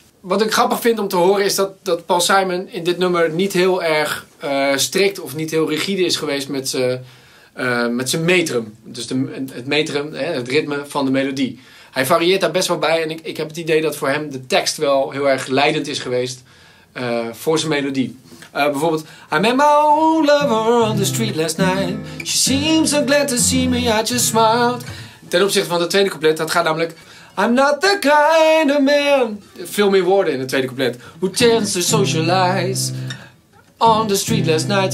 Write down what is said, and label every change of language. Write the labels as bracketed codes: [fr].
[nl] Wat ik grappig vind om te horen is dat Paul Simon in dit nummer niet heel erg strikt of niet heel rigide is geweest met zijn metrum. Dus het metrum, het ritme van de melodie. Hij varieert daar best wel bij en ik heb het idee dat voor hem de tekst wel heel erg leidend is geweest voor zijn melodie. [en] Bijvoorbeeld, I met my old lover on the street last night. She seemed so glad to see me, I just smiled. [nl] Ten opzichte van de tweede couplet, dat gaat namelijk [en] I'm not the kind of man. [nl] Veel meer woorden in het tweede couplet. [en] Who tends to socialize on the street last night.